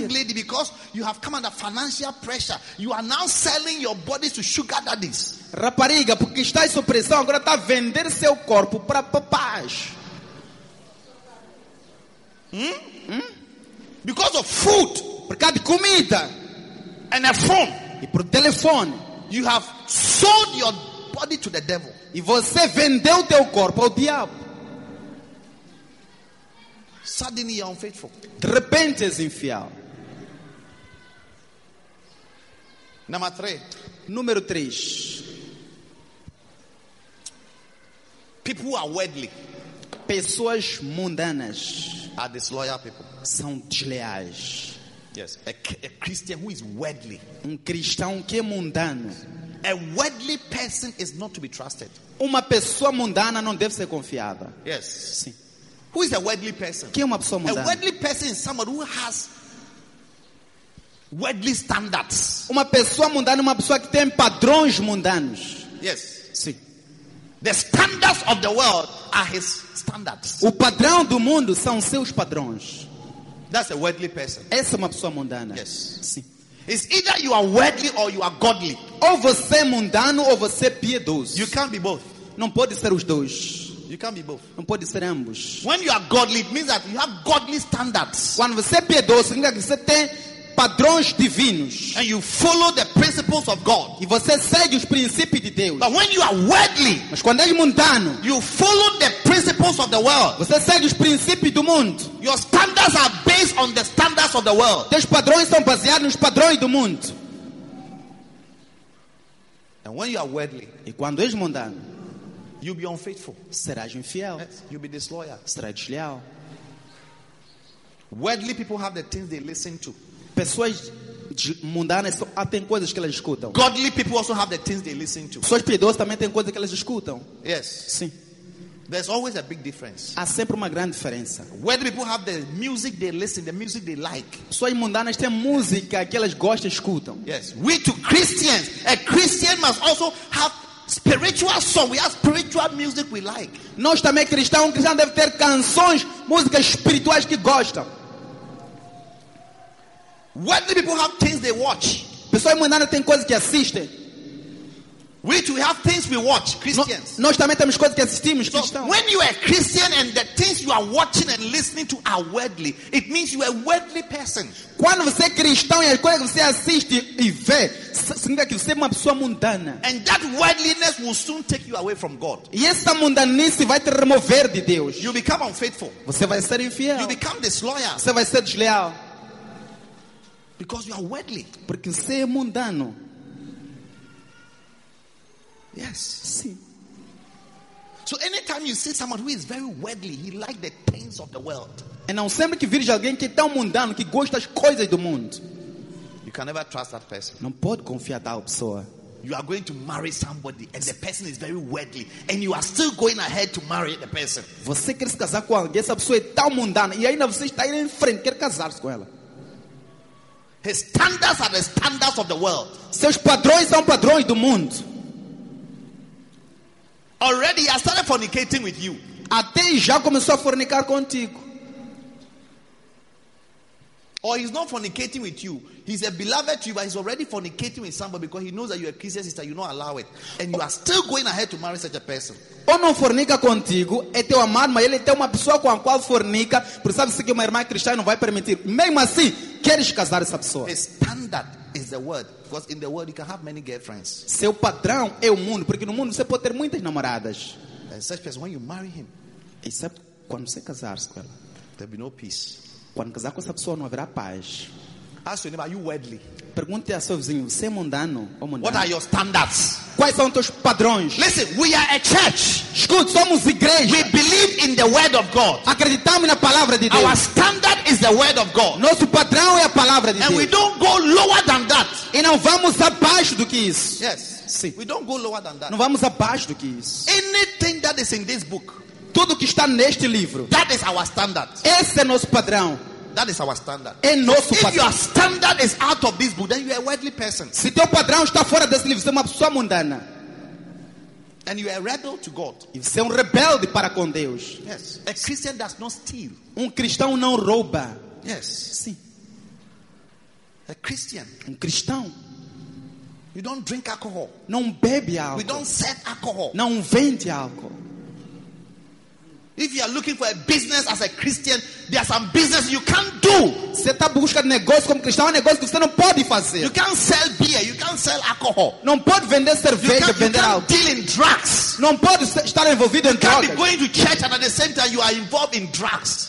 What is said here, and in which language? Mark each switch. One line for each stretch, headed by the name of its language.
English: Young lady, because you have come under financial pressure, you are now selling your body to sugar daddies.
Portuguese: Rapariga, porque está em pressão, agora está a vender seu corpo para papás.
English: Because of food.
Portuguese: Por causa de comida.
English: And a phone.
Portuguese: E por telefone.
English: You have sold your body to the devil.
Portuguese: E você vendeu teu corpo ao diabo.
English: Suddenly you're unfaithful.
Portuguese: De repente és infiel.
English: Number three.
Portuguese: Número 3.
English: People who are worldly.
Portuguese: Pessoas mundanas.
English: Are disloyal people.
Portuguese: São desleais.
English: Yes. A Christian who is worldly.
Portuguese: Cristão que é mundano.
English: A worldly person is not to be trusted.
Portuguese: Uma pessoa mundana não deve ser confiada.
English: Yes.
Portuguese: Sim.
English: Who is a worldly person?
Portuguese: Quem é uma pessoa mundana?
English: A worldly person is someone who has worldly standards.
Portuguese: Uma pessoa mundana é uma pessoa que tem padrões mundanos.
English: Yes.
Portuguese: Sim.
English: The standards of the world are his standards.
Portuguese: O padrão do mundo são seus padrões.
English: That's a worldly person.
Portuguese: Essa é uma pessoa mundana.
English: Yes.
Portuguese: Sim.
English: It's either you are worldly or you are godly.
Portuguese: Ou você é mundano ou você é piedoso.
English: You can't be both.
Portuguese: Não pode ser os dois.
English: You can't be both.
Portuguese: Não pode ser ambos.
English: When you are godly, it means that you have godly standards.
Portuguese: Quando você é piedoso, significa que você tem padrões divinos.
English: And you follow the principles of God.
Portuguese: E você segue os princípios de Deus.
English: But when you are worldly,
Portuguese: mas quando és mundano,
English: you follow the principles of the world.
Portuguese: Você segue os princípios do mundo.
English: Your standards are based on the standards of the world.
Portuguese: Teus padrões são baseados nos padrões do mundo.
English: And when you are worldly,
Portuguese: e quando és mundano,
English: you'll be unfaithful.
Portuguese: Serás infiel.
English: Yes. You'll be disloyal.
Portuguese: Serás desleal.
English: Worldly people have the things they listen to.
Portuguese: Pessoas mundanas têm coisas que elas escutam.
English: Godly people also have the things they listen to.
Portuguese: Pessoas piedosas também têm coisas que elas escutam.
English: Yes.
Portuguese: Sim.
English: There's always a big difference.
Portuguese: Há sempre uma grande diferença.
English: Worldly people have the music they listen, the music they like.
Portuguese: Pessoas mundanas têm música que elas gostam e escutam.
English: Yes. We to Christians, a Christian must also have spiritual song. We have spiritual music we like.
Portuguese: Nós também cristãos, um cristão deve ter canções, músicas espirituais que gostam.
English: Worldly people have things they watch.
Portuguese: Pessoas mundanas têm coisas que assistem.
English: Which we have things we watch, Christians.
Portuguese: Nós também temos coisas que assistimos, cristãos.
English: So, when you are a Christian and the things you are watching and listening to are worldly, it means you are a worldly person.
Portuguese: Quando você é cristão e as coisas que você assiste e vê, significa que você é uma pessoa mundana.
English: And that worldliness will soon take you away from God.
Portuguese: E essa mundanice vai te remover de Deus.
English: You become unfaithful.
Portuguese: Você vai ser infiel.
English: You become disloyal.
Portuguese: Você vai ser desleal.
English: Because you are worldly.
Portuguese: Porque você é mundano.
English: Yes.
Portuguese: Sim.
English: So anytime you see someone who is very worldly, he likes the things of the world.
Portuguese: E não sempre que vires alguém que é tão mundano, que gosta das coisas do mundo.
English: You can never trust that person.
Portuguese: Não pode confiar tal pessoa.
English: You are going to marry somebody and the person is very worldly and you are still going ahead to marry the person.
Portuguese: Você quer se casar com alguém, essa pessoa é tão mundana e ainda você está indo em frente, quer casar-se com ela.
English: His standards are the standards of the world.
Portuguese: Seus padrões são padrões do mundo.
English: Already he has started fornicating with you.
Portuguese: Até já começou a fornicar contigo.
English: Or he's not fornicating with you. He's a beloved to you, but he's already fornicating with somebody because he knows that you're a Christian sister. You don't allow it. And you are still going ahead to marry such a person.
Portuguese: Ou não fornica contigo, é teu amado, mas ele é uma pessoa com a qual fornica, porque sabe-se que uma irmã cristã não vai permitir. Mesmo assim, queres casar essa pessoa.
English: His standard is the word. Because in the world, you can have many girlfriends.
Portuguese: Seu padrão é o mundo, porque no mundo você pode ter muitas namoradas.
English: And such person, when you marry him, except
Portuguese: quando você casar-se com ela,
English: there'll be no peace.
Portuguese: Quando casar com essa pessoa não haverá paz.
English: Ask your neighbor, are you worldly?
Portuguese: Pergunte a seu vizinho, você é mundano ou mundano?
English: What are your standards?
Portuguese: Quais são os teus padrões?
English: Listen, we are a church.
Portuguese: Escute, somos igreja.
English: We believe in the word of God.
Portuguese: Acreditamos na palavra de Deus.
English: Our standard is the word of God.
Portuguese: Nosso padrão é a palavra de
English: And
Portuguese: Deus.
English: And we don't go lower than that.
Portuguese: E não vamos abaixo do que isso.
English: Yes.
Portuguese: Sim.
English: We don't go lower than that.
Portuguese: Não vamos abaixo do que isso.
English: Anything that is in this book.
Portuguese: Tudo que está neste livro.
English: That is our standard.
Portuguese: Esse é nosso padrão.
English: That is our standard.
Portuguese: É nosso
English: If
Portuguese: padrão.
English: Your standard is out of this book, then you are a worldly person.
Portuguese: Se teu padrão está fora desse livro, você é uma pessoa mundana.
English: And you are a rebel to God.
Portuguese: E você é rebelde para com Deus.
English: Yes. A Christian does not steal.
Portuguese: Cristão não rouba.
English: Yes.
Portuguese: Sim.
English: A Christian.
Portuguese: Cristão.
English: You don't drink alcohol.
Portuguese: Não bebe álcool.
English: We don't sell alcohol.
Portuguese: Não vende álcool.
English: If you are looking for a business as a Christian, there are some business you can't do.
Portuguese: Você está buscando negócio como cristão, um negócio que você não pode fazer.
English: You can't sell beer, you can't sell alcohol.
Portuguese: Não pode vender cerveja,
English: you
Portuguese: vender
English: álcool. Deal in drugs.
Portuguese: Não pode estar envolvido
English: you
Portuguese: em drogas.
English: You can't be going to church and at the same time you are involved in drugs.